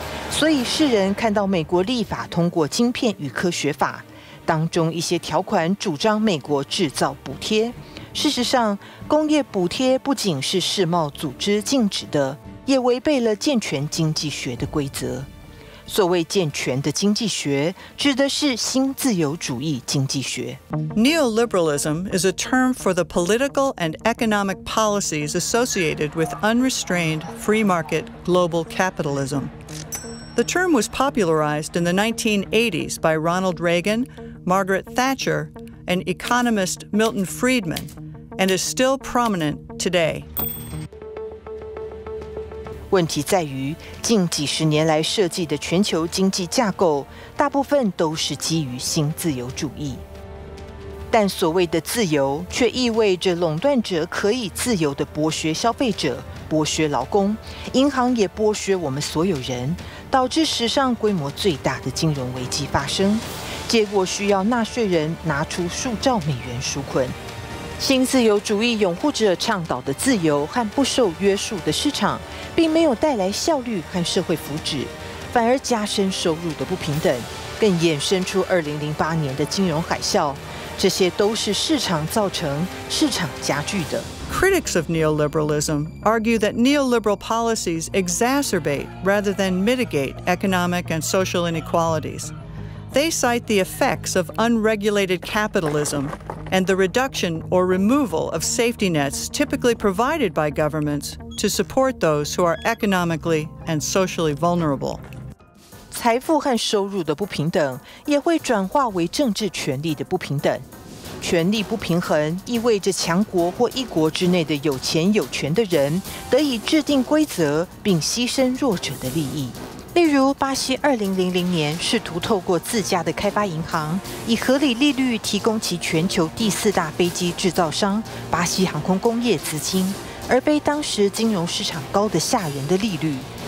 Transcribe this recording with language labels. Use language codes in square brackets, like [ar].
[zh] 所以世人看到美国立法通过晶片与科学法，当中一些条款主张美国制造补贴。事实上，工业补贴不仅是世贸组织禁止的，也违背了健全经济学的规则。所谓健全的经济学，指的是新自由主义经济学。 [en] Neoliberalism is a term for the political and economic policies associated with unrestrained free market global capitalism. The term was popularized in the 1980s by Ronald Reagan, Margaret Thatcher, and economist Milton Friedman, and is still prominent today. [zh] 问题在于，近几十年来设计的全球经济架构，大部分都是基于新自由主义。但所谓的自由，却意味着垄断者可以自由地剥削消费者、剥削劳工，银行也剥削我们所有人，导致史上规模最大的金融危机发生，结果需要纳税人拿出数兆美元纾困。新自由主义拥护者倡导的自由和不受约束的市场，并没有带来效率和社会福祉，反而加深收入的不平等，更衍生出2008年的金融海啸。这些都是市场造成、市场加剧的。 [en] Critics of neoliberalism argue that neoliberal policies exacerbate rather than mitigate economic and social inequalities. They cite the effects of unregulated capitalism and the reduction or removal of safety nets typically provided by governments to support those who are economically and socially vulnerable. [zh] 财富和收入的不平等也会转化为政治权力的不平等。权力不平衡意味着强国或一国之内的有钱有权的人得以制定规则并牺牲弱者的利益。例如，巴西2000年试图透过自家的开发银行以合理利率提供其全球第四大飞机制造商巴西航空工业资金，而被当时金融市场高得吓人的利率。